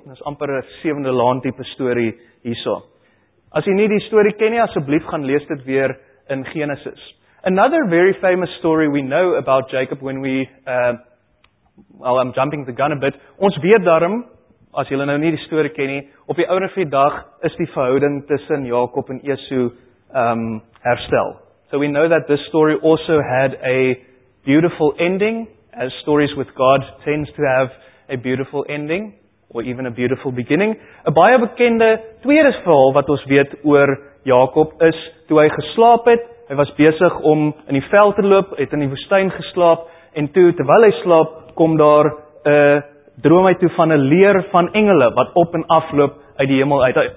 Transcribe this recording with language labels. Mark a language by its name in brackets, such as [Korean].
[Afrikaans] Dit is amper 'n sewende laan tipe storie Esau. As jy nie die storie ken nie, asseblief gaan lees dit weer in Genesis. [English] Another very famous story we know about Jacob when we, well, I'm jumping the gun a bit. [Afrikaans] Ons weet daarom, as julle nou nie die storie ken nie, op die ouderdom van die dag is die verhouding tussen Jakob en Esau herstel. [English] So we know that this story also had a beautiful ending, as stories with God tends to have a beautiful ending, or even a beautiful beginning. [Afrikaans] 'N baie bekende tweede verhaal wat ons weet oor Jakob is, toe hy geslaap het, hy was besig om in die veld te loop, het in die woestyn geslaap, en toe, terwyl hy slaap, kom daar, droom hy toe van 'n leer van engele, wat op en af loop uit die hemel uit.